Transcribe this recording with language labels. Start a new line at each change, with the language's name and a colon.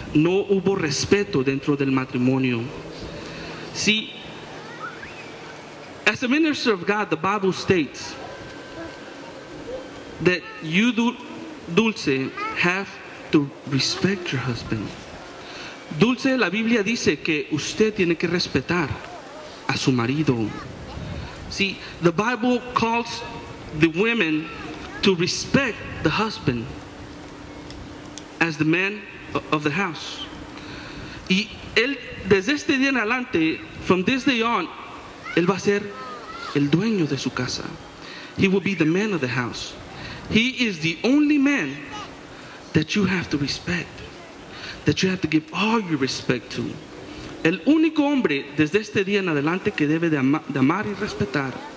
Spanish: No hubo respeto dentro del matrimonio.
English: See, as a minister of God, the Bible states that you, Dulce, have to respect your husband.
Spanish: Dulce, la Biblia dice que usted tiene que respetar a su marido.
English: See, the Bible calls the women to respect the husband as the man of the house.
Spanish: Y él, desde este día en adelante,
English: from this day on,
Spanish: él va a ser el dueño de su casa.
English: He will be the man of the house. He is the only man that you have to respect, that you have to give all your respect to.
Spanish: El único hombre desde este día en adelante que debe de amar y respetar.